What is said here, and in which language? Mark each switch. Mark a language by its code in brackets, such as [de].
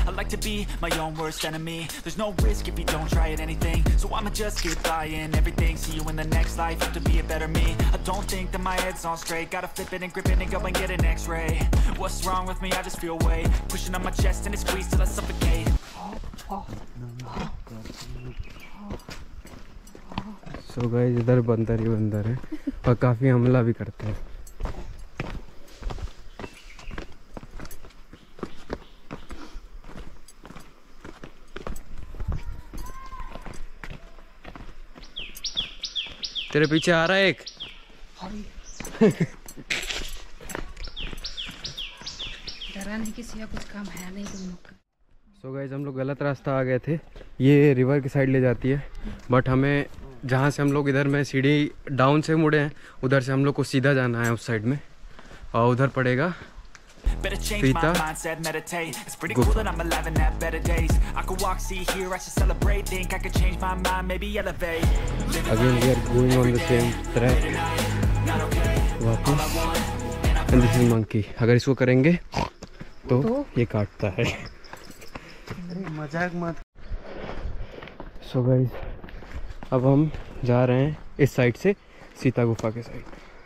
[en] I like to be my own worst enemy. There's no risk if you don't try at anything, so I'ma just keep flying. Everything, see you in the next life, have to be a better me. I don't think that my head's on straight, gotta flip it and grip it and go and get an x-ray. What's wrong with me? I just feel weight pushing on my chest and it squeezes till I suffocate. So guys, [hi] इधर बंदर ही बंदर है और काफी हमला भी करते हैं। तेरे पीछे आ रहा है एक डराने की सिवा कुछ काम है नहीं तुम लोग का। [en] so guys [hi] हम लोग गलत रास्ता आ गए थे, ये रिवर की साइड ले जाती है, बट हमें जहाँ से हम लोग इधर में सीढ़ी डाउन से मुड़े हैं उधर से हम लोग को सीधा जाना है उस साइड में और उधर पड़ेगा [en] Better change my mindset, meditate. It's pretty cool that I'm alive and have better days. I could walk, see, hear, I should celebrate. Think I could change my mind, maybe elevate. Again, we are going on the same track. वापस। And this is monkey. [hi] अगर इसको करेंगे तो ये काटता है। अरे मजाक मत। [en] So guys, [hi] अब हम जा रहे हैं इस साइड से सीता गुफा के साइड।